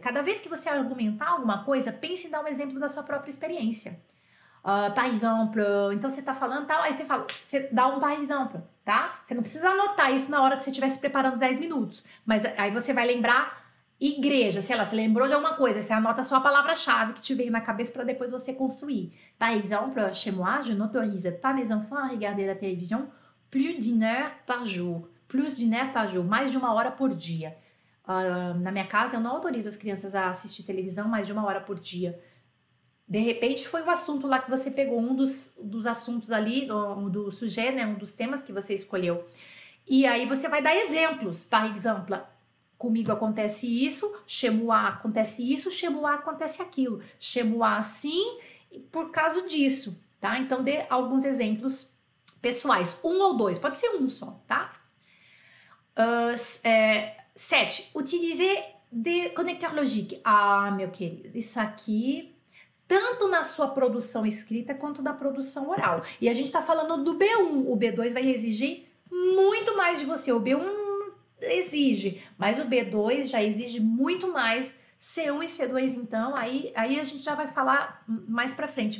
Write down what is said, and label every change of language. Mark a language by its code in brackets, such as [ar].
[pt] Cada vez que você argumentar alguma coisa, pense em dar um exemplo da sua própria experiência. Par exemple, então você tá falando tal, aí você fala, você dá um par exemple, tá? Você não precisa anotar isso na hora que você estiver se preparando 10 minutos, mas aí você vai lembrar igreja, sei lá, você lembrou de alguma coisa, você anota só a palavra-chave que te veio na cabeça para depois você construir. [fr] Par exemple, chez moi, je n'autorise pas mes enfants à regarder la télévision plus d'une heure par jour. Plus d'une heure par jour, [pt] mais de uma hora por dia. Na minha casa, eu não autorizo as crianças a assistir televisão mais de uma hora por dia. De repente foi o assunto lá que você pegou, um dos assuntos ali, do sujeito, né? Um dos temas que você escolheu. E aí você vai dar exemplos. [fr] Par exemple, [pt] comigo acontece isso, [fr] chez moi [pt] acontece isso, chez moi acontece aquilo. [fr] Chez moi [pt] assim, por causa disso, tá? Então dê alguns exemplos pessoais. Um ou dois, pode ser um só, tá? 7. [fr] Utiliser des connecteurs logiques. [pt] Ah, meu querido, isso aqui. Tanto na sua produção escrita quanto na produção oral. E a gente está falando do B1. O B2 vai exigir muito mais de você. O B1 exige, mas o B2 já exige muito mais. C1 e C2, então, aí a gente já vai falar mais para frente.